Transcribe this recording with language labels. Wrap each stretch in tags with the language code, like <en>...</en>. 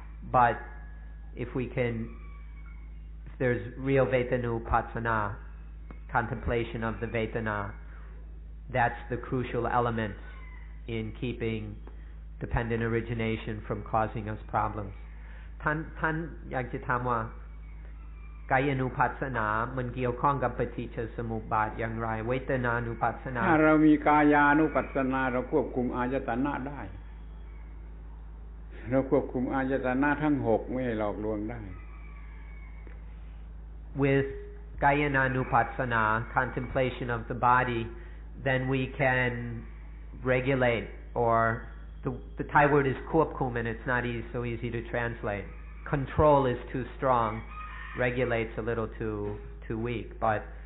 <en>But if there's real vetanupassana, contemplation of the vetana, that's the crucial element in keeping dependent origination from causing us problems.</en> <th>Tan yagjitamwa,กายานุปัสสนามันเกี่ยวข้องกับปฏิจจสมุปบาทอย่างไรเวทนานุปัสสนา ถ้าเรามีกายานุปัสสนาเราควบคุมอายตนะได้เราควบคุมอายตนะทั้ง6ไม่ให้หลอกลวงได้</th> <en>With Gayananupassana contemplation of the body then we can regulate or the Thai word is ควบคุม and it's not easy, so easy to translate control is too strongregulates a little too weak but</en>